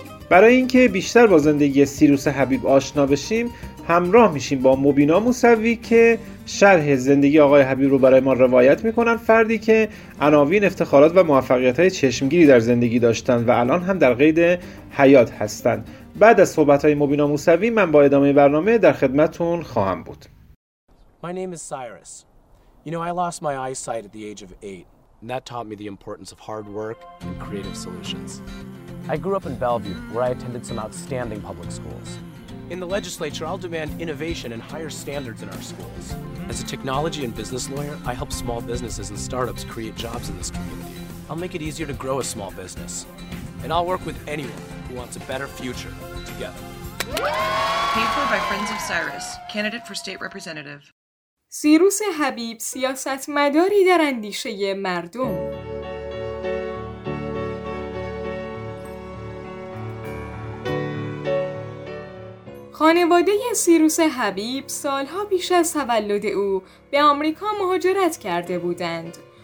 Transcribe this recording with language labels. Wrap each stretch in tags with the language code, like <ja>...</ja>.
<fa>برای اینکه بیشتر با زندگی سیروس حبیب آشنا بشیم، همراه میشیم با مبینا موسوی که شرح زندگی آقای حبیب رو برای ما روایت میکنن، فردی که عناوین افتخارات و موفقیت‌های چشمگیری در زندگی داشتن و الان هم در قید حیات هستند. بعد از صحبت‌های مبینا موسوی من با ادامه برنامه در خدمتتون خواهم بود.</fa> <en>My name is Cyrus. You know, I lost my eyesight at the age of 8. That taught me the importance of hard work and creative solutions. I grew up in Bellevue, where I attended some outstanding public schools. In the legislature, I'll demand innovation and higher standards in our schools. As a technology and business lawyer, I help small businesses and startups create jobs in this community. I'll make it easier to grow a small business. And I'll work with anyone who wants a better future together. Paid for by Friends of Cyrus, candidate for state representative.</en> <fa>سیروس حبیب سیاست مداری در اندیشه مردم. خانواده سیروس حبیب سالها پیش از تولد او به آمریکا مهاجرت کرده بودند.</fa>